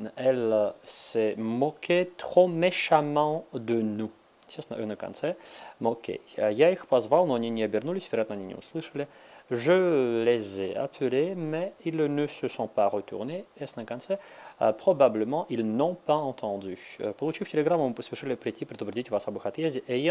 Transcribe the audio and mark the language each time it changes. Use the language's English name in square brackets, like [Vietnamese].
[French] Elle s'est moquée trop méchamment de nous. [Russian] Естественно, E на конце. Moquée. Я их позвал, но они не обернулись, вероятно, они не услышали. [French] Je les ai appelés, mais ils ne se sont pas retournés. [Russian] S на конце. [French] Probablement, ils n'ont pas entendu. [Russian] Получив телеграмму, мы поспешили прийти предупредить вас об их отъезде.